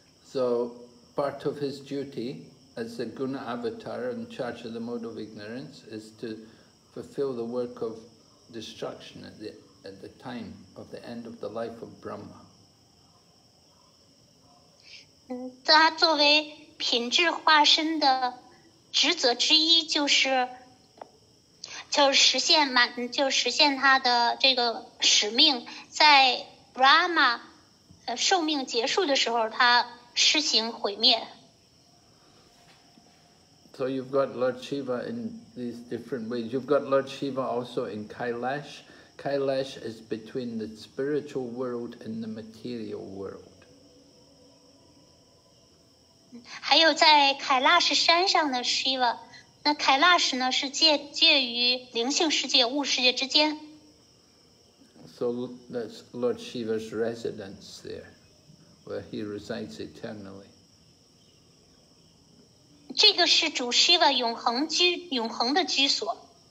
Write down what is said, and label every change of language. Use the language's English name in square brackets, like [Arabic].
[English] So part of his duty as a Guna Avatar in charge of the mode of ignorance is to fulfill the work of destruction at the time of the end of the life of Brahma. [Chinese] 他作为品质化身的职责之一就是实现满，就实现他的这个使命，在 Brahma 寿命结束的时候，他施行毁灭。 [English] So you've got Lord Shiva in these different ways. You've got Lord Shiva also in Kailash. Kailash is between the spiritual world and the material world. [Chinese] 还有在凯拉什山上的 Shiva， 那凯拉什呢是介于灵性世界、物世界之间。 [English] So that's Lord Shiva's residence there, where he resides eternally. [Chinese] 这个是主 Shiva 永恒的居所。